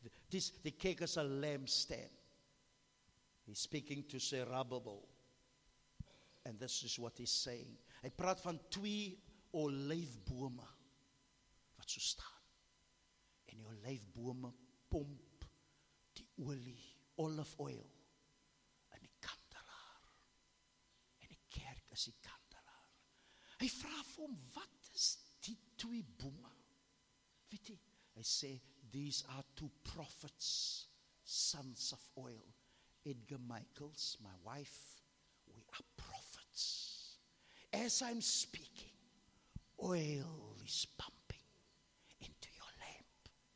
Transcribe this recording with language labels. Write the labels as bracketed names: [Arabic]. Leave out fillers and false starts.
[English] This, the cake is a lampstand. He's speaking to Zerubbabel. [Afrikaans] En dit is wat hy sê. Hy praat van twee olyfbome wat so staan. En die olyfbome pomp die olie, olive oil, in die kandelaar. En die kerk is die kandelaar. Hy vra vir hom, wat is die twee bome? Weet hy? Hy sê, [English] these are two prophets, sons of oil. Edgar Michaels, my wife, we are prophets. As I'm speaking, oil is pumping into your lamp.